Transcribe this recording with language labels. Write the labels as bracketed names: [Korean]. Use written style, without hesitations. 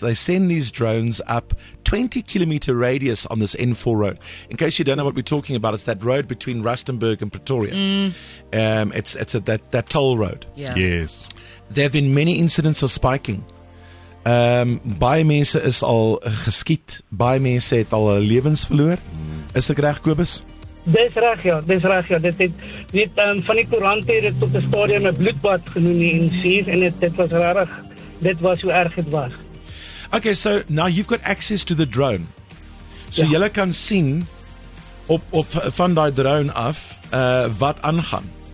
[English] They send these drones up 20 kilometer radius on this N4 road. In case you don't know what we're talking about, it's that road between Rustenburg and Pretoria. Mm. It's that toll road. Yeah. Yes. There have been many incidents of spiking. [Afrikaans] Baie mense is al geskiet. Baie mense het al lewens verloor. Is ek reg, Kobus? Dis reg, ja. Dis reg, ja. Dit het, weet, van die koerante het het tot die stadium een bloedbad genoem in N4 en dit was rarig. Dit was hoe erg het was. [English] Okay, so now you've got access to the drone. [Afrikaans] So ja. Julle kan sien op van die drone af wat aangaan.